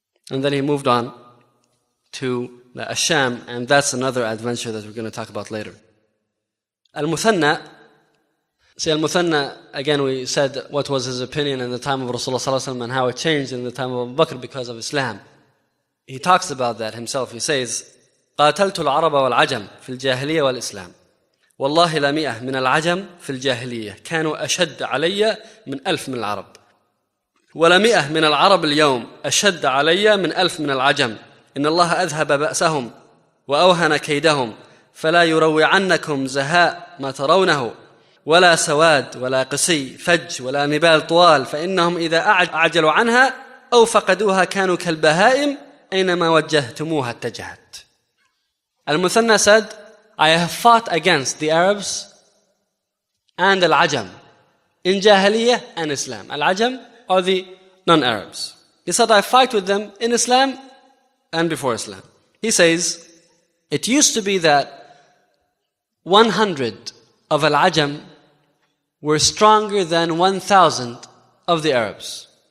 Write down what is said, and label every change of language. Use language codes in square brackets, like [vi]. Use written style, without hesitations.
[en] And then he moved on to the Ash-Sham, and that's another adventure that we're going to talk about later. Al-Muthanna, see Al-Muthanna, again we said what was his opinion in the time of Rasulullah ﷺ and how it changed in the time of Abu Bakr because of Islam. He talks about that himself. He says, [ar] قَاتَلْتُ الْعَرَبَ وَالْعَجَمْ فِي الْجَاهِلِيَّةِ وَالْإِسْلَامِ وَاللَّهِ لَمِئَةٌ مِنَ الْعَجَمْ فِي الْجَاهِلِيَّةِ كَانُوا أَشَدَّ عَلَيَّ مِنْ أَلْفٍ مِنَ الْعَرَبِ ولمئة من العرب اليوم أشد علي من ألف من العجم إن الله أذهب بأسهم وأوهن كيدهم فلا يروعنكم زهاء ما ترونه ولا سواد ولا قسي فج ولا نبال طوال فإنهم إذا أعجلوا عنها أو فقدوها كانوا كالبهائم أينما وجهتموها اتجهت. [en] المثنى said, I have fought against the Arabs and العجم in جاهلية and Islam. العجم are the non-Arabs. He said, I fight with them in Islam and before Islam. He says, it used to be that 100 of Al-Ajam were stronger than 1,000 of the Arabs.